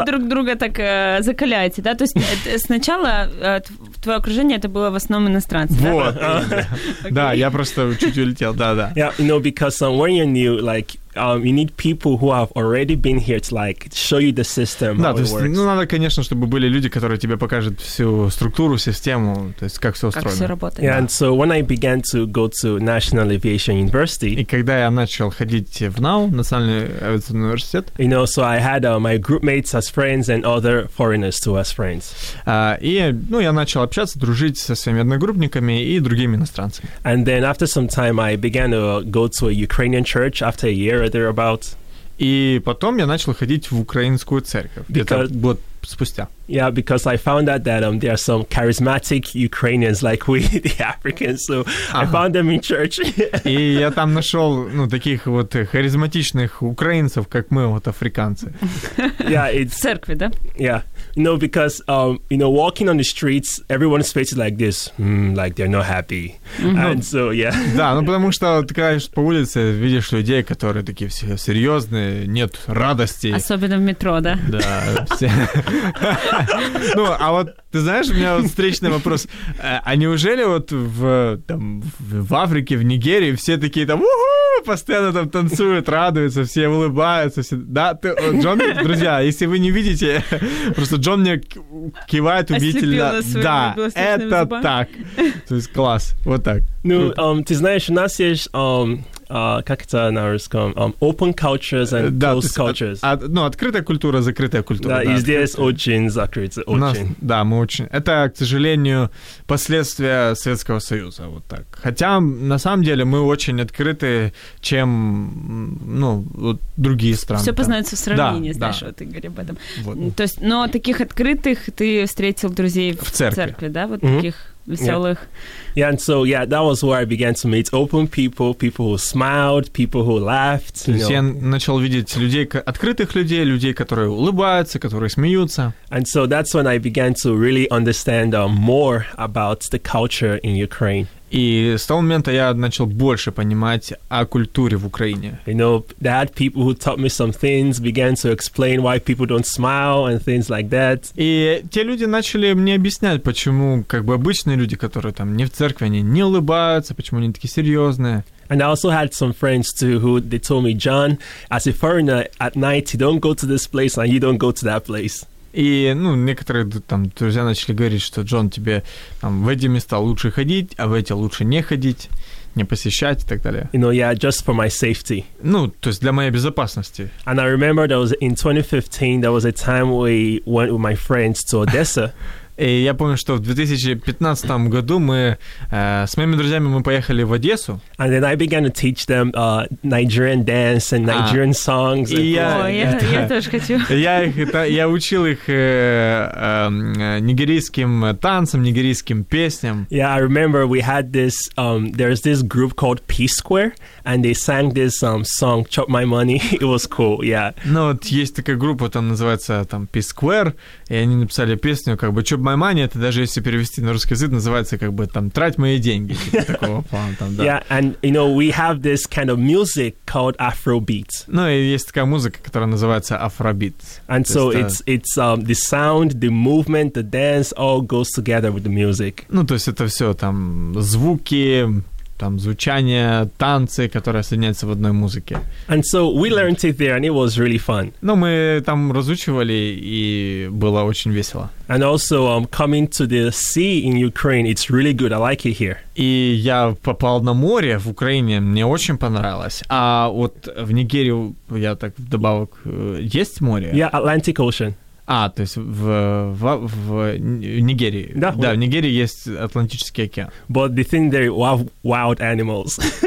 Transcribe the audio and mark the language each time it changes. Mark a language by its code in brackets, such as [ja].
[ru] Вы друг друга так закаляете, да? То есть сначала твое окружение, это было в основном иностранцы, вот, да? Вот, да, я просто чуть улетел, да. [en] Yeah, you know, because when you're new, like, you need people who have already been here to, like, show you the system, [ru] да, [en] how [ru] то есть, [en] it works. [ru] Ну, надо, конечно, чтобы были люди, которые тебе покажут всю структуру, систему, то есть как все устроено. Как все работает, [en] yeah, [ru] да. [en] And so when I began to go to National Aviation University... [ru] И когда я начал ходить в НАУ, Национальный авиационный университет... [en] You know, so I had my groupmates as friends and other foreigners too as friends. [ru] Я начал общаться, дружить со своими одногруппниками и другими иностранцами. [en] And then after some time I began to go to a Ukrainian church after a year. [ru] И потом я начал ходить в украинскую церковь. [en] Because, [ru] где-то год спустя. [en] Yeah, because I found out that there are some charismatic Ukrainians like we, the Africans, so I found them in church. [ru] И я там нашел, ну, таких вот харизматичных украинцев, как мы, вот африканцы. [en] Yeah, it's... [ru] В церкви, да? [en] Yeah. No, because, you know, walking on the streets, everyone's face is like this, like they're not happy. Mm-hmm. And so, yeah. [ru] Да, ну потому что ты конечно по улице, видишь людей, которые такие все серьезные, нет радости. Особенно в метро, да? Да, все. Ну, а вот, ты знаешь, у меня вот встречный вопрос. А неужели вот в Африке, в Нигерии все такие там, постоянно там танцуют, радуются, все улыбаются. Все... Да, ты, Джон, друзья, если вы не видите, просто Джон мне кивает убедительно. Да, это зубами. Так. То есть класс, вот так. Ну, ты знаешь, у нас есть, как это на русском, [en] open cultures and closed cultures. [ru] Открытая культура, закрытая культура. Да, и здесь очень закрытая, очень. Нас, да, мы очень. Это, к сожалению, последствия Советского Союза, вот так. Хотя, на самом деле, мы очень открыты, чем, ну, вот другие страны. Все познается в сравнении, да, знаешь, да. Вот, Игорь, об этом. Вот. То есть, но таких открытых ты встретил друзей в церкви, да, вот таких... Веселых. [en] Yeah. Yeah, and so, yeah, that was where I began to meet open people, people who smiled, people who laughed. [ru] То есть я начал видеть людей, открытых людей, людей, которые улыбаются, которые смеются. [en] And so that's when I began to really understand more about the culture in Ukraine. [ru] И с того момента я начал больше понимать о культуре в Украине. [en] You know, that people who taught me some things began to explain why people don't smile and things like that. [ru] И те люди начали мне объяснять, почему как бы обычные люди, которые там не в церкви, они не улыбаются, почему они такие серьезные. [en] And I also had some friends too who they told me, John, as a foreigner at night, you don't go to this place and you don't go to that place. [ru] И, ну, некоторые там друзья начали говорить, что, Джон, тебе там в эти места лучше ходить, а в эти лучше не ходить, не посещать и так далее. [en] You know, yeah, just for my safety. [ru] Ну, то есть для моей безопасности. [en] And I remember there was in 2015, there was a time we went with my friends to Odessa. [ru] И я помню, что в 2015 году мы с моими друзьями мы поехали в Одессу. [en] And then I began to teach them Nigerian dance and Nigerian songs. [ru] И я тоже хочу. Я учил их нигерийским танцам, нигерийским песням. [en] Yeah, I remember we had this, there's this group called P-Square, and they sang this song Chop My Money. It was cool, yeah. [ru] Ну вот есть такая группа, там называется там P-Square, и они написали песню, как бы, Chop My Money, это даже если перевести на русский язык, называется как бы там «Трать мои деньги». Такого плана там, да. [en] Yeah, and, you know, we have this kind of music called Afrobeat. [ru] Ну, и есть такая музыка, которая называется Afrobeat. [en] And so it's the sound, the movement, the dance all goes together with the music. [ru] Ну, то есть это все там звуки, там звучание, танцы, которые соединяются в одной музыке. [en] And so we learned it there, and it was really fun. [ru] Ну, мы там разучивали, и было очень весело. [en] And also, coming to the sea in Ukraine, it's really good. I like it here. [ru] И я попал на море в Украине, мне очень понравилось. А вот в Нигерии, я так вдобавок, есть море? [en] Yeah, Atlantic Ocean. [ru] А, то есть в Нигерии. Да, да, в Нигерии есть Атлантический океан. [en] But the thing there, wild animals.